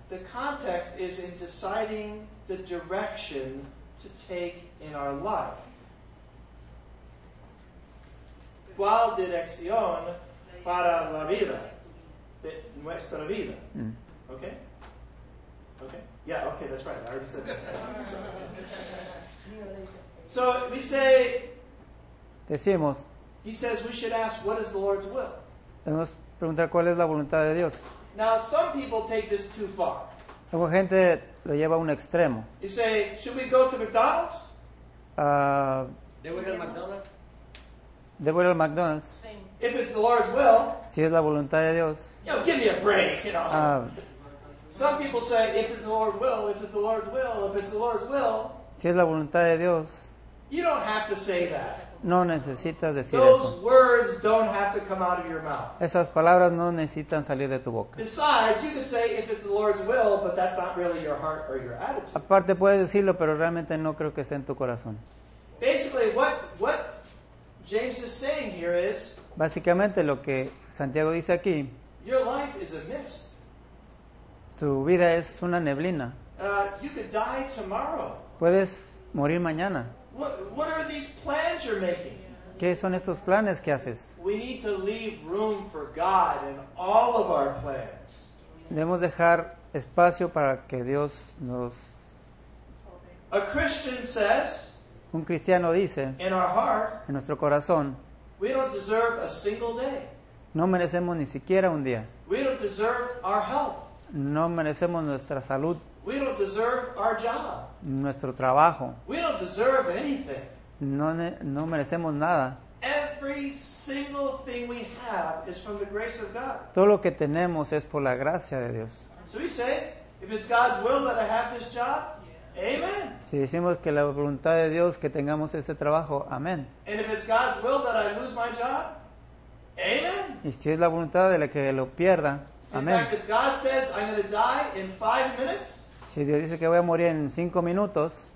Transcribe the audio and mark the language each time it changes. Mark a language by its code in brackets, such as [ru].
[en] the context is in deciding the direction to take in our life. [es] ¿Cuál dirección para la vida? De nuestra vida. [en] Okay? Okay? Yeah, okay, that's right. I already said that. So we say, [es] decimos, [en] he says we should ask, what is the Lord's will? [es] Debemos preguntar cuál es la voluntad de Dios. [en] Now, some people take this too far. [es] Alguna gente lo lleva a un extremo. [en] You say, should we go to McDonald's? [es] ¿Debo ir al McDonald's? Debo ir al McDonald's. [en] If it's the Lord's will, [es] si es la voluntad de Dios. [en] You know, give me a break, you know. Some people say, if it's the Lord's will, if it's the Lord's will, if it's the Lord's will. [es] Si es la voluntad de Dios. [en] You don't have to say that. [es] No necesitas decir [en] those [es] eso. [en] Those words don't have to come out of your mouth. [es] Esas palabras no necesitan salir de tu boca. [en] Besides, you can say, if it's the Lord's will, but that's not really your heart or your attitude. [es] Aparte puedes decirlo, pero realmente no creo que esté en tu corazón. [en] Basically, what James is saying here is, [es] básicamente lo que Santiago dice aquí, [en] your life is a mist. [es] Tu vida es una neblina. [en] You could die tomorrow. [es] Puedes morir mañana. [en] What are these plans you're making? [es] ¿Qué son estos planes que haces? [en] We need to leave room for God in all of our plans. [es] Debemos dejar espacio para que Dios nos... [en] A Christian says, [es] un cristiano dice, [en] in our heart, [es] en nuestro corazón, [en] we don't deserve a single day. [es] No merecemos ni siquiera un día. [en] We don't deserve our health. [es] No merecemos nuestra salud. [en] We don't deserve our job. [es] Nuestro trabajo. [en] We don't deserve anything. [es] No merecemos nada. [en] Every single thing we have is from the grace of God. [es] Todo lo que tenemos es por la gracia de Dios. [en] So we say, if it's God's will that I have this job, amen. [es] Si decimos que la voluntad de Dios que tengamos este trabajo, amén. [en] And if it's God's will that I lose my job, amen. [es] Y si es la voluntad de la que lo pierda, amén. [en] In fact, if God says I'm going to die in 5 minutes, [es] si Dios dice que voy a morir en 5 minutos,